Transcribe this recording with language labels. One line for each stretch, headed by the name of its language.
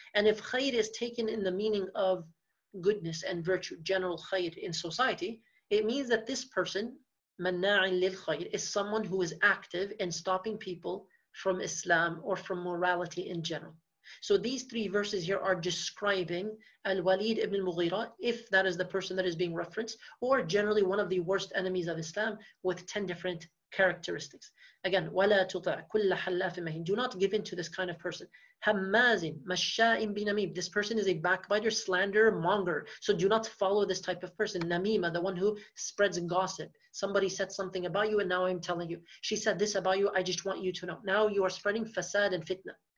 English: And if khayr is taken in the meaning of goodness and virtue, general khayr in society, it means that this person, manna'in lil khayr, is someone who is active in stopping people from Islam or from morality in general. So these three verses here are describing Al-Walid ibn al-Mughira, if that is the person that is being referenced, or generally one of the worst enemies of Islam with 10 different characteristics. Again,
Arabic: وَلَا تُطَعْ كُلَّ حَلَّافٍ مَهِينٍ.
English: Do not give in to this kind of person.
Arabic: هَمَّازٍ مَشَّاءٍ بِنَمِيمٍ.
English: This person is a backbiter, slanderer, monger. So do not follow this type of person. Namima, the one who spreads gossip. Somebody said something about you and now I'm telling you. She said this about you, I just want you to know. Now you are spreading fasad and fitna.